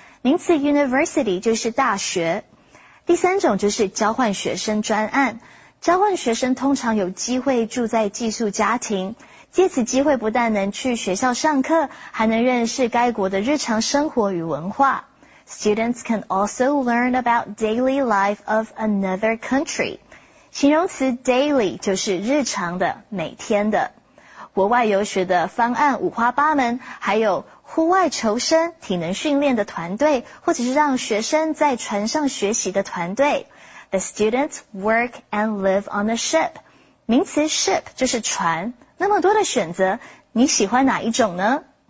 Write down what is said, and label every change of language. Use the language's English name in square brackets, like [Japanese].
[Chinese] 名词 university 就是大学。第三种就是交换学生专案。交换学生通常有机会住在寄宿家庭。借此机会不但能去学校上课, 还能认识该国的日常生活与文化。 [English] Students can also learn about daily life of another country. [Chinese] 形容词 daily 就是日常的,每天的。国外游学的方案五花八门, 还有户外求生,体能训练的团队, 或者是让学生在船上学习的团队。 [English] The students work and live on a ship. [Chinese] 名词 ship 就是船。那么多的选择, 你喜欢哪一种呢?